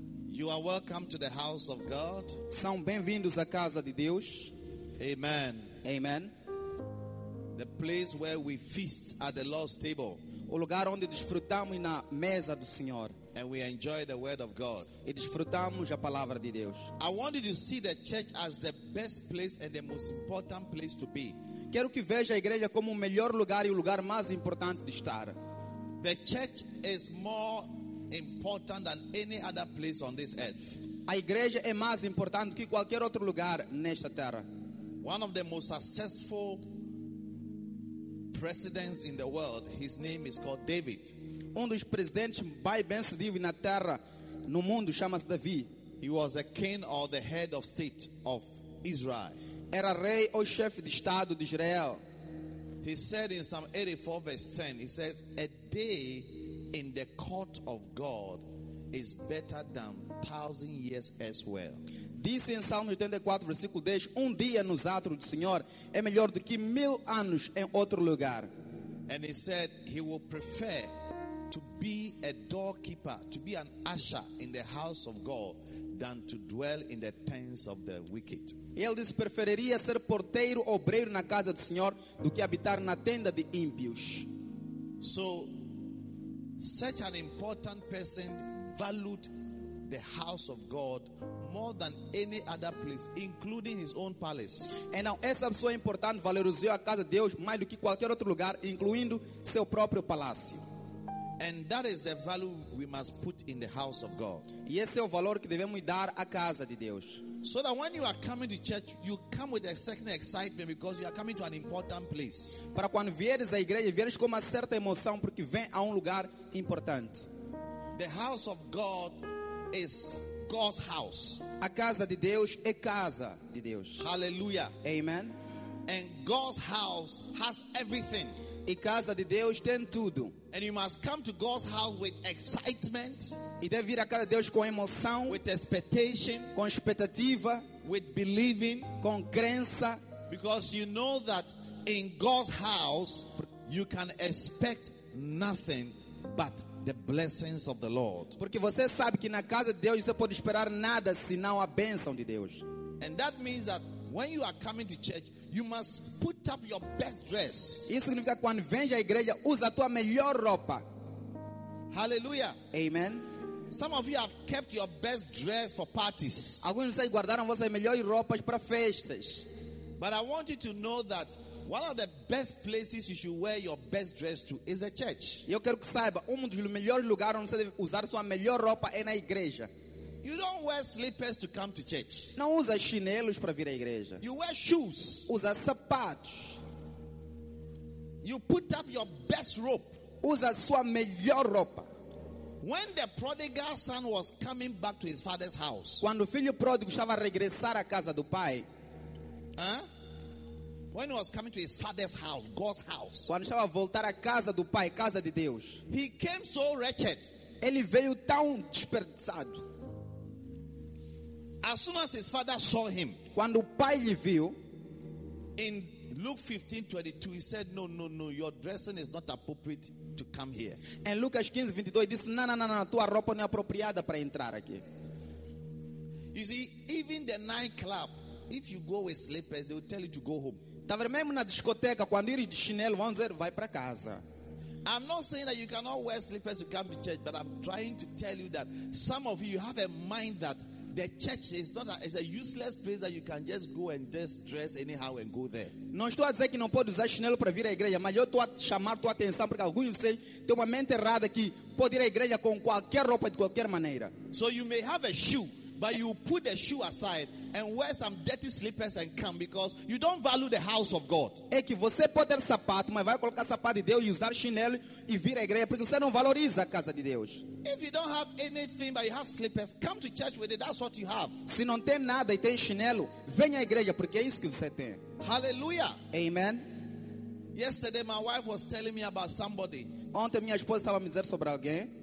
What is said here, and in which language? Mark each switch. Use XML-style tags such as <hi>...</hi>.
<en>You are welcome to the house of God.</en> <pt>São bem-vindos à casa de Deus. Amen. Amen.</pt> <en>The place where we feast at the Lord's table.</en> <pt>O lugar onde desfrutamos na mesa do Senhor.</pt> <en>And we enjoy the word of God.</en> <pt>E desfrutamos a palavra de Deus.</pt> <en>I want you to see the church as the best place and the most important place to be.</en> <pt>Quero que veja a igreja como o melhor lugar e o lugar mais importante de estar.</pt> <en>The church is more important than any other place on this earth.</en> <pt>A igreja é mais importante que qualquer outro lugar nesta terra.</pt> <en>One of the most successful presidents in the world, his name is called David.</en> <pt>Um dos presidentes mais bem-sucedidos na terra, no mundo, chama-se Davi.</pt> <en>He was a king or the head of state of Israel.</en> <pt>Era rei ou chefe de estado de Israel.</pt> <en>He said in Psalm 84 verse 10, he says, a day in the court of God is better than 1,000 years as well.</en> <pt>Diz em Salmo 84, versículo 10, um dia nos átrios do Senhor é melhor do que 1,000 anos em outro lugar.</pt> <en>And he said he will prefer to be a doorkeeper, to be an usher in the house of God, than to dwell in the tents of the wicked.</en> <pt>Ele disse, preferiria ser porteiro ou obreiro na casa do Senhor do que habitar na tenda de ímpios.</pt> <en>So, such an important person valued the house of God more than any other place, including his own palace.</en> <pt>Então, essa pessoa importante valorizou a casa de Deus mais do que qualquer outro lugar, incluindo seu próprio palácio.</pt> <en>And that is the value we must put in the house of God.</en> <pt>E esse é o valor que devemos dar à casa de Deus.</pt> <en>So that when you are coming to church, you come with a certain excitement because you are coming to an important place.</en> <pt>Para quando vieres à igreja, vieres com uma certa emoção porque vem a lugar importante.</pt> <en>The house of God is God's house.</en> <pt>A casa de Deus é casa de Deus. Hallelujah. Amen.</pt> <en>And God's house has everything.</en> <pt>E casa de Deus tem tudo.</pt> <en>And you must come to God's house with excitement.</en> <pt>E deve vir à casa de Deus com emoção.</pt> <en>With expectation.</en> <pt>Com expectativa.</pt> <en>With believing.</en> <pt>Com crença.</pt> <en>Because you know that in God's house you can expect nothing but the blessings of the Lord.</en> <pt>Porque você sabe que na casa de Deus você pode esperar nada senão a bênção de Deus.</pt> <en>And that means that when you are coming to church, you must put up your best dress.</en> <pt>Isso significa que quando vens à igreja, usa a tua melhor roupa. Hallelujah. Amen.</pt> <en>Some of you have kept your best dress for parties.</en> <pt>Alguns de vocês guardaram suas melhores roupas para festas.</pt> <en>But I want you to know that one of the best places you should wear your best dress to is the church.</en> <pt>Eu quero que saiba, dos melhores lugares onde você deve usar sua melhor roupa é na igreja.</pt> <en>You don't wear slippers to come to church.</en> <pt>Não usa chinelos para vir à igreja.</pt> <en>You wear shoes.</en> <pt>Usa sapatos.</pt> <en>You put up your best robe.</en> <pt>Usa sua melhor roupa.</pt> <en>When the prodigal son was coming back to his father's house.</en> <pt>Quando o filho pródigo estava a regressar à casa do pai. Huh?</pt> <en>When he was coming to his father's house, God's house.</en> <pt>Quando estava a voltar à casa do pai, casa de Deus.</pt> <en>He came so wretched.</en> <pt>Ele veio tão desperdiçado.</pt> <en>As soon as his father saw him,</en> <pt>quando o pai lhe viu,</pt> <en>in Luke 15:22, he said, "No, no, no, your dressing is not appropriate to come here."</en> <pt>Em Lucas 15:22, disse, "Não, tua roupa não é apropriada para entrar aqui."</pt> <en>You see, even the nightclub, if you go with slippers, they will tell you to go home.</en> <pt>Tá vendo mesmo na discoteca, quando ires de chinelo, vão dizer, vai para casa.</pt> <en>I'm not saying that you cannot wear slippers to come to church, but I'm trying to tell you that some of you have a mind that the church is not a, it's a useless place that you can just go and just dress anyhow and go there.</en> <pt>Não estou a dizer que não pode usar chinelo para vir à igreja, mas eu estou a chamar tua atenção porque alguns de vocês têm uma mente errada que pode ir à igreja com qualquer roupa de qualquer maneira.</pt> <en>So you may have a shoe, but you put the shoe aside and wear some dirty slippers and come because you don't value the house of God.</en> <pt>É que você pode ter sapato, mas vai colocar sapato de Deus e usar chinelo e vir à igreja porque você não valoriza a casa de Deus.</pt> <en>If you don't have anything but you have slippers, come to church with it. That's what you have.</en> <pt>Se não tem nada e tem chinelo, venha à igreja porque é isso que você tem. Hallelujah. Amen.</pt> <en>Yesterday my wife was telling me about somebody.</en> <pt>Ontem minha esposa estava me dizendo sobre alguém.</pt>